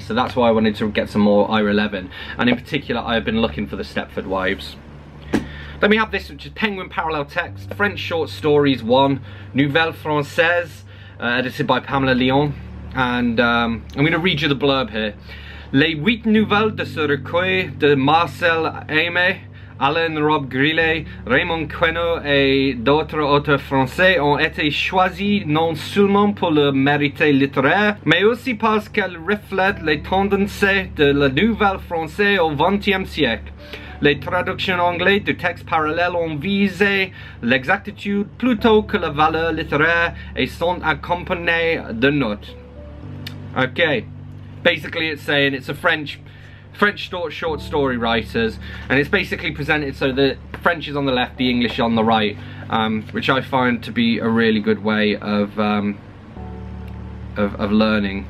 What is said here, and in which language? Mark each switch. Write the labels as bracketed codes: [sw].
[en] So that's why I wanted to get some more IRA 11. And in particular, I have been looking for The Stepford Wives. Then we have this, which is Penguin Parallel Text, French Short Stories 1, Nouvelle Française, edited by Pamela Lyon. And I'm going to read you the blurb here. [fr] Les huit nouvelles de ce recueil de Marcel Aimé, Alain Rob Grillet, Raymond Queneau et d'autres auteurs français ont été choisies non seulement pour leur mérite littéraire, mais aussi parce qu'elles reflètent les tendances de la nouvelle française au XXe siècle. Les traductions anglaises du texte parallèle ont visé l'exactitude plutôt que la valeur littéraire et sont accompagnées de notes. [en] Okay, basically it's saying it's a French short story writers, and it's basically presented so the French is on the left, the English on the right, which I find to be a really good way of learning.